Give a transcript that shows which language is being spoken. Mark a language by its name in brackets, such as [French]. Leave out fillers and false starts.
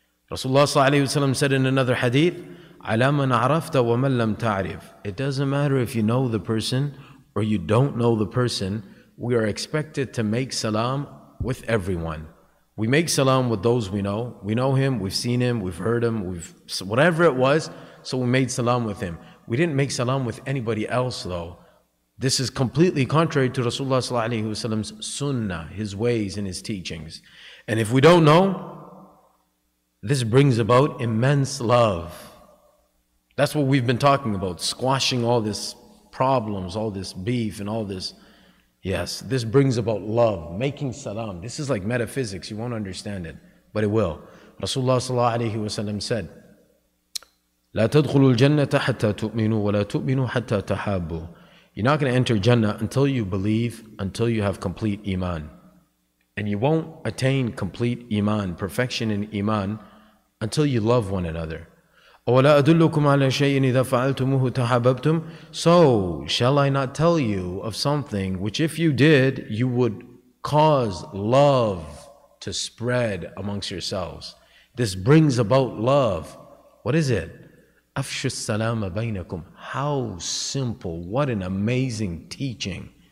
[English] Rasulullah ﷺ said in another hadith, [Arabic] عَلَى مَنْ عَرَفْتَ وَمَنْ لَمْ تَعْرِفْ. [English] It doesn't matter if you know the person or you don't know the person, we are expected to make salam with everyone. We make salam with those we know. We know him, we've seen him, we've heard him, whatever it was, so we made salam with him. We didn't make salam with anybody else though. This is completely contrary to Rasulullah's sunnah, his ways and his teachings. And if we don't know, this brings about immense love. That's what we've been talking about, squashing all this problems, all this beef and all this. Yes, this brings about love, making salam. This is like metaphysics, you won't understand it, but it will. [Arabic] Rasulullah said, لا تدخلوا الجنة حتى تؤمنوا ولا تؤمنوا حتى تحابوا. [English] You're not going to enter Jannah until you believe, until you have complete Iman. And you won't attain complete Iman, perfection in Iman, until you love one another. [Arabic] ولا أدلكم على شيء إذا فعلتموه تحاببتم. [English] So, shall I not tell you of something which if you did, you would cause love to spread amongst yourselves? This brings about love. What is it? [Arabic] أَفْشُ السَّلَامَ بَيْنَكُمْ. [English] How simple, what an amazing teaching.